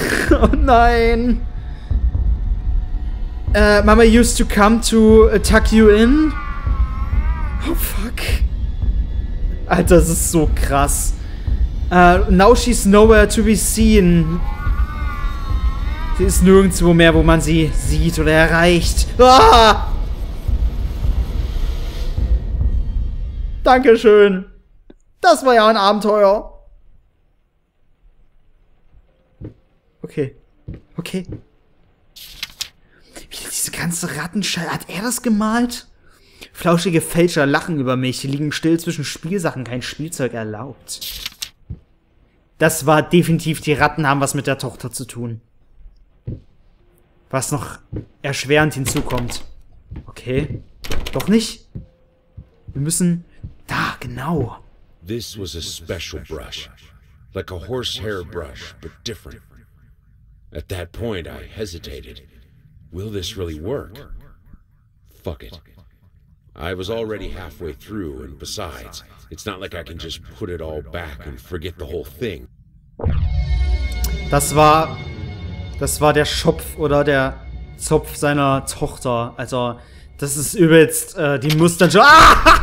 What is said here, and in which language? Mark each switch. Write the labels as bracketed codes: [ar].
[de] Oh nein. [en] Mama used to come to tuck you in. Oh fuck. [de] Alter, das ist so krass. [en] Now she's nowhere to be seen. [de] Sie ist nirgendwo mehr, wo man sie sieht oder erreicht. Ah! Dankeschön. Das war ja ein Abenteuer. Okay. Wie diese ganze Rattenschall, hat er das gemalt? Flauschige Fälscher lachen über mich. Sie liegen still zwischen Spielsachen. Kein Spielzeug erlaubt. Das war definitiv, die Ratten haben was mit der Tochter zu tun. Was noch erschwerend hinzukommt. Okay. Doch nicht? Wir müssen... Da, genau. [en] This was a special brush. Like a horsehair brush, but different. At that point, I hesitated. Will this really work? Fuck it. I was already halfway through, and besides, it's not like I can just put it all back and forget the whole thing. [de] Das war der Schopf oder der Zopf seiner Tochter. Also, das ist übelst, die muss dann schon... Ah!